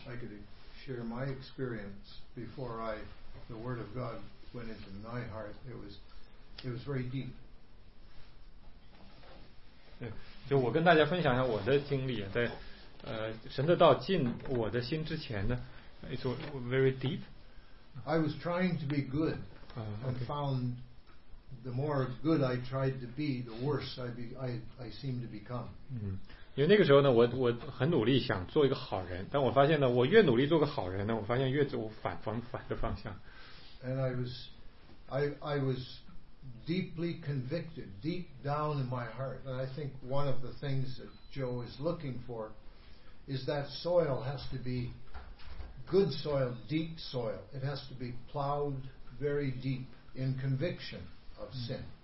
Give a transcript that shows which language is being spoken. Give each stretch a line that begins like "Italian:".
English: I could share my experience before the word of God went into my heart. It was very deep.
Chinese: 对，就我跟大家分享一下我的经历，在神的道进我的心之前呢 ，
English: it was very deep. I was trying to be good, and found the more good I tried to be, the worse I seemed to become. 嗯，
Chinese: 因为那个时候呢，我很努力想做一个好人，但我发现呢，我越努力做个好人呢，我发现越走反的方向。
English: And I was deeply convicted deep down in my heart, and I think one of the things that Joe is looking for is that soil has to be good soil, deep soil. It has to be plowed very deep in conviction of sin.